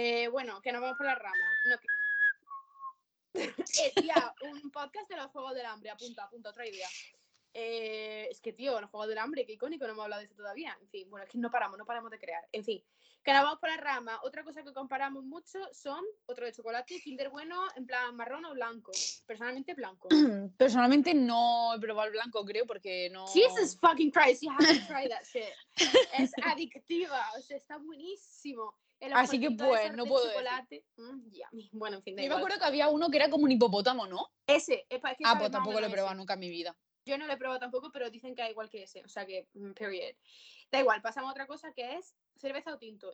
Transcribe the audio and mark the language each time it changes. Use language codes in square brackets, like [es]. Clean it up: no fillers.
[es] Bueno, que nos vamos por las ramas. No, que... tía, un podcast de los juegos del hambre. Apunta, otra idea. Es que tío, los juegos del hambre, qué icónico, no hemos hablado de eso todavía. En fin, bueno, es que no paramos de crear. En fin, que nos vamos por la rama. Otra cosa que comparamos mucho son otro de chocolate, Kinder Bueno, en plan marrón o blanco. Personalmente blanco. Personalmente no he probado el blanco, creo, porque no... [en] Jesus fucking Christ, you have to try that shit. [es] Es adictiva, o sea, está buenísimo. Así que pues, no puedo decir. Bueno, en fin, yo me acuerdo que había uno que era como un hipopótamo, ¿no? Ese. Es que pues tampoco lo he probado nunca en mi vida. Yo no lo he probado tampoco, pero dicen que es igual que ese. O sea que, period. Da igual, pasamos a otra cosa que es cerveza o tinto.